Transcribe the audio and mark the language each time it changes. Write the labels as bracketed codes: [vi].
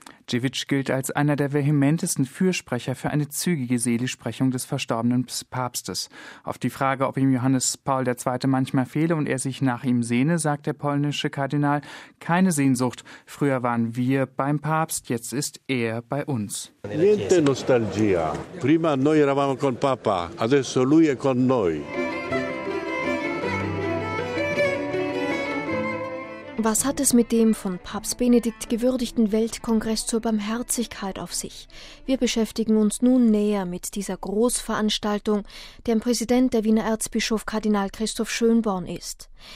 [de] Ciwisz gilt als einer der vehementesten Fürsprecher für eine zügige Seligsprechung des verstorbenen Papstes. Auf die Frage, ob ihm Johannes Paul II. Manchmal fehle und er sich nach ihm sehne, sagt der polnische Kardinal: Keine Sehnsucht. Früher waren wir beim Papst, jetzt ist er bei uns. [it] Niente nostalgia. Prima noi eravamo con Papa, adesso lui è con noi. [de] Was hat es mit dem von Papst Benedikt gewürdigten Weltkongress zur Barmherzigkeit auf sich? Wir beschäftigen uns nun näher mit dieser Großveranstaltung, deren Präsident der Wiener Erzbischof Kardinal Christoph Schönborn ist.